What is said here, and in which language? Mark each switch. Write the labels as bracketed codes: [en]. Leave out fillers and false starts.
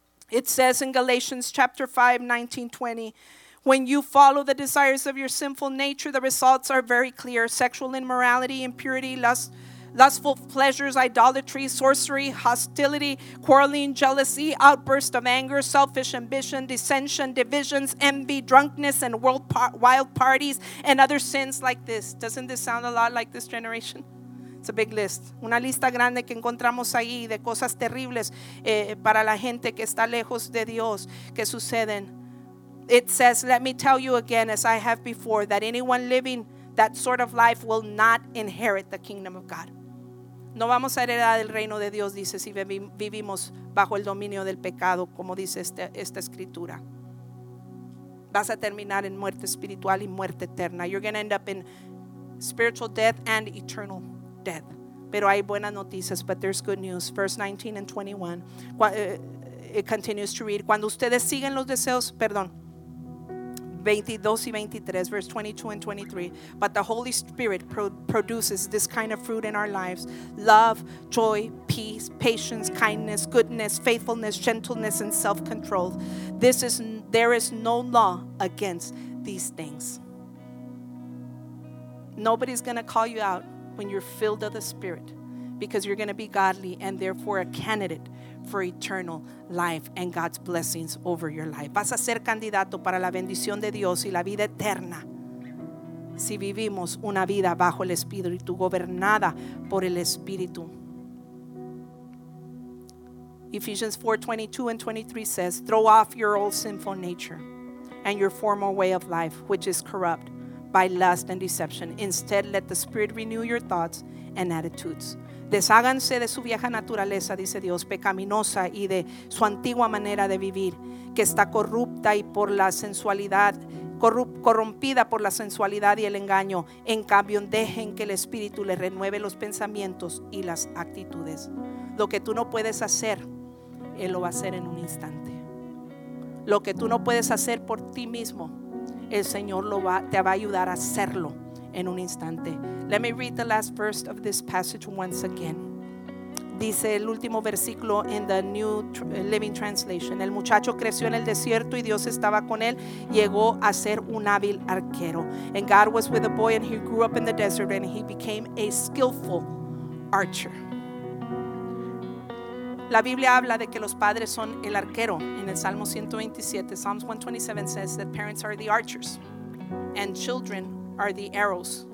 [en] It says in Galatians chapter 5, 19-20, when you follow the desires of your sinful nature, the results are very clear: sexual immorality, impurity, lustful pleasures, idolatry, sorcery, hostility, quarreling, jealousy, outburst of anger, selfish ambition, dissension, divisions, envy, drunkenness, and wild parties, and other sins like this. Doesn't this sound a lot like this generation? It's a big list. [es] Una lista grande que encontramos ahí de cosas terribles para la gente que está lejos de Dios que suceden. [en] It says, let me tell you again, as I have before, that anyone living that sort of life will not inherit the kingdom of God. [es] No vamos a heredar el reino de Dios, dice, si vivimos bajo el dominio del pecado, como dice esta escritura. Vas a terminar en muerte espiritual y muerte eterna. [en] You're going to end up in spiritual death and eternal death. [es] Pero hay buenas noticias, [en] but there's good news. Verse 19 and 21. It continues to read. [es] Cuando ustedes siguen los deseos, perdón. 22 y 23, [en] verse 22 and 23. But the Holy Spirit produces this kind of fruit in our lives: love, joy, peace, patience, kindness, goodness, faithfulness, gentleness, and self-control. There is no law against these things. Nobody's going to call you out when you're filled of the Spirit, because you're going to be godly and therefore a candidate for eternal life and God's blessings over your life. [es] Vas a ser candidato para la bendición de Dios y la vida eterna si vivimos una vida bajo el Espíritu, gobernada por el Espíritu. [en] Ephesians 4, 22 and 23 says, throw off your old sinful nature and your former way of life, which is corrupt by lust and deception. Instead, let the Spirit renew your thoughts and attitudes. [es] Desháganse de su vieja naturaleza, dice Dios, pecaminosa, y de su antigua manera de vivir, que está corrupta y por la sensualidad, corrompida por la sensualidad y el engaño. En cambio, dejen que el Espíritu le renueve los pensamientos y las actitudes. Lo que tú no puedes hacer, Él lo va a hacer en un instante. Lo que tú no puedes hacer por ti mismo, el Señor te va a ayudar a hacerlo en un instante. [en] Let me read the last verse of this passage once again. [es] dice el último versículo [en] in the New Living Translation. [es] El muchacho creció en el desierto y Dios estaba con él. Llegó a ser un hábil arquero. [en] And God was with the boy and he grew up in the desert and he became a skillful archer. [es] La Biblia habla de que los padres son el arquero. En el Salmo 127, [en] Psalms 127 says that parents are the archers and children are the arrows.